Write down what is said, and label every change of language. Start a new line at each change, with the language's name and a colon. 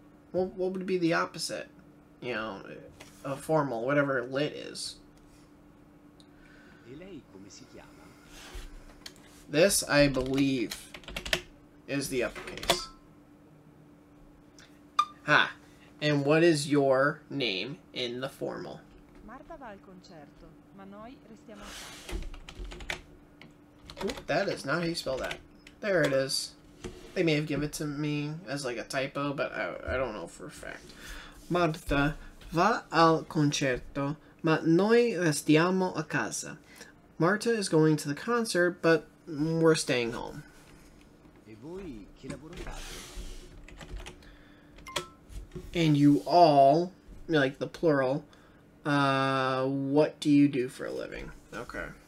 English: What would be the opposite, you know, of formal, whatever lit is?
Italian: E lei come si chiama?
English: This, I believe, is the uppercase. Ha! And what is your name in the formal?
Italian: Marta va al concerto, ma noi restiamo a casa.
English: Ooh, that is not how you spell that. There it is. They may have given it to me as like a typo, but I don't know for a fact.
Italian: Marta va al concerto, ma noi restiamo a casa.
English: Marta is going to the concert, but we're staying home.
Italian: E voi che lavoro fate?
English: And you all, like the plural, what do you do for a living? Okay.